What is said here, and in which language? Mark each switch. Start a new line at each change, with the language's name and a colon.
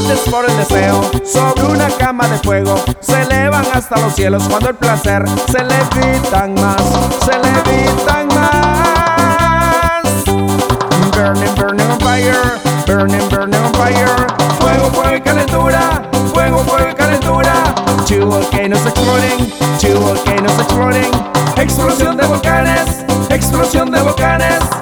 Spanish: Por el deseo, sobre una cama de fuego, se elevan hasta los cielos cuando el placer se levitan más, se levitan más.
English: Burning, burning on fire, burning, burning on fire.
Spanish: Fuego, fuego y calentura, fuego, fuego y calentura.
English: Two volcanoes exploding, two volcanoes exploding.
Spanish: Explosión de volcanes, explosión de volcanes.